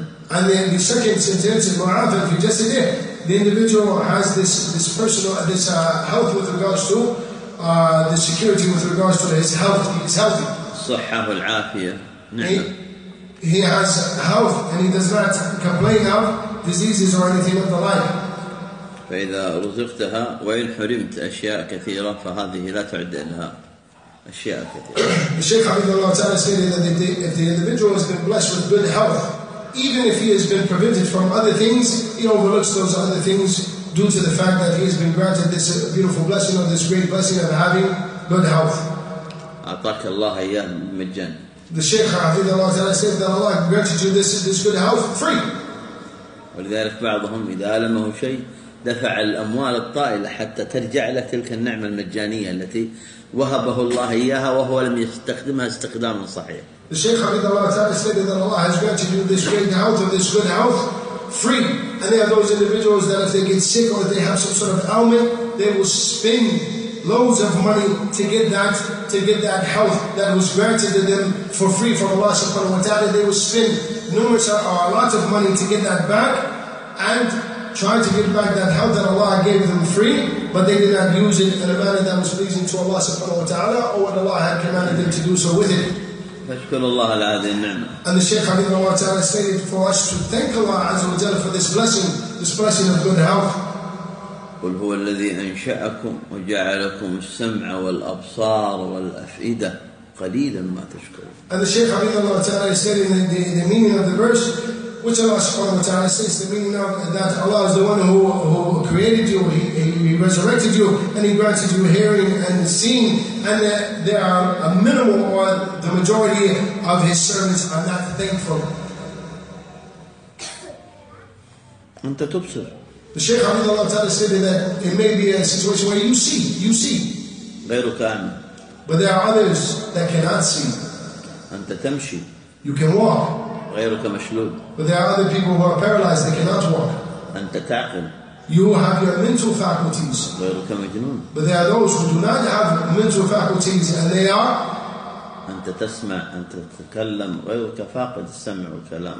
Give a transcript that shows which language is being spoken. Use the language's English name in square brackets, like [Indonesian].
[English] And then the second sentence, [Arabic] Mu'afa fi jasadih, [English] the individual has this personal health with regards to the security with regards to his health. He is healthy. [Arabic] صحة والعافية. [English] He has health and he does not complain of diseases or anything of the like. [Arabic] فإذا رزقتها وإن حرمت أشياء كثيرة فهذه لا تعد لها أشياء كثيرة. [English] The Shaykh Hafidhullah Ta'ala stated that if the individual has been blessed with good health, even if he has been prevented from other things, he overlooks those other things due to the fact that he has been granted this beautiful blessing of this great blessing of having good health. [Arabic] أعطاك الله إياه مجانا. [English] The Shaykh Hafidhullah Ta'ala said that Allah granted you this good health free. [Arabic] ولذلك بعضهم إذا ألمه شيء دفع الأموال الطائلة حتى ترجع له تلك النعمة المجانية التي وهبه الله إياها وهو لم يستخدمها استخداما صحيحا. [English] The Shaykh Hafidhullah Ta'ala said that Allah has granted you this great health and this good health free. And there are those individuals that if they get sick or they have some sort of ailment, they will spend loads of money to get that health that was granted to them for free from Allah subhanahu wa ta'ala. They will spend a lot of money to get that back and try to get back that health that Allah gave them free, but they did not use it in a manner that was pleasing to Allah subhanahu wa ta'ala or what Allah had commanded them to do so with it. [Arabic] أشكر الله على هذه النعمة. [English] And the Shaykh Hafidhullah Ta'ala stated for us to thank Allah Azza wa Jalla for this blessing of good health. [Arabic] قل هو الذي أنشأكم وجعلكم السمع والأبصار والأفئدة قليلا ما تشكرون. [English] And the Shaykh Hafidhullah Ta'ala stated the meaning of the verse which Allah subhanahu wa ta'ala says, the meaning of that Allah is the one who created you, he resurrected you, and he granted you hearing and seeing, and that there are a minimal, or the majority of his servants are not thankful. The Shaykh Hafidh Allah ta'ala said that it may be a situation where you see. But there are others that cannot see. [Arabic] أنت تمشي. [English] You can walk. [Arabic] غيرك مشلول. [English] But there are other people who are paralyzed, they cannot walk. [Arabic] أنت تعقل. [English] You have your mental faculties. [Arabic] غيرك مجنون. [English] But there are those who do not have mental faculties, and they are. [Arabic] أنت تسمع، أنت تتكلم، غيرك فاقد السمع والكلام.